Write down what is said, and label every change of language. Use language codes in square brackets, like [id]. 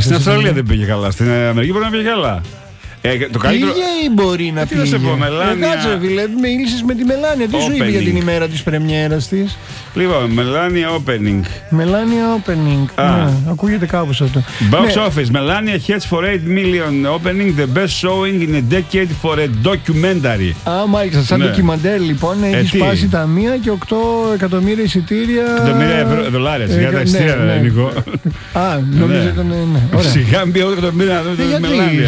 [el] Στην Αυστραλία δεν πήγε καλά. Στην Αμερική μπορεί να πήγε καλά. Το καλύτερο... Πήγε ή μπορεί να πήγε. Τι να σε πω, Μελάνια. Κάτσε, φίλε, μίλησε με τη Μελάνια. Τι σου είπε για την ημέρα τη πρεμιέρα τη. Λοιπόν, Μελάνια opening. Μελάνια opening. Α. Ναι, ακούγεται κάπως αυτό. [en] Box [el] ναι. [en] Office. Μελάνια hits for 8 million opening. The best showing in a decade for a documentary. [el] Α, μάλιστα. Σαν ντοκιμαντέρ, ναι. Λοιπόν. Έχει σπάσει τα 1 και 8 εκατομμύρια εισιτήρια. Εκατομμύρια δολάρια. Για τα εισιτήρια, ναι, ναι. Νίκο. Α, νομίζω ήταν. Ναι. Σιγά μπει 8 εκατομμύρια να δούμε τη Μελάνια.